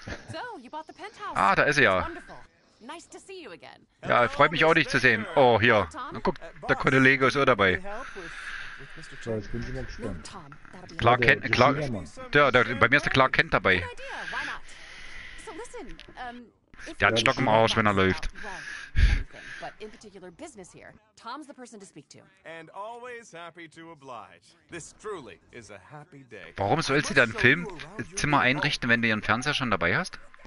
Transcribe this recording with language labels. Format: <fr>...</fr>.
<en>So, you bought the penthouse.</en> <de>Ah, da ist er ja.</de> <en>Nice to see you again.</en> <de>Ja, freut mich auch, dich zu sehen. Oh, hier. Guck, der Kollege ist auch dabei. So, ich bin schon mal gespannt. Clark Kent, Clark, bei mir ist der Clark Kent dabei. Der hat einen Stock im Arsch, wenn er läuft.</de> <en>But in particular business here, Tom's the person to speak to. And always happy to oblige. This truly is a happy day.</en> <de>Warum soll sie dein Filmzimmer einrichten, wenn du ihren Fernseher schon dabei hast?</de>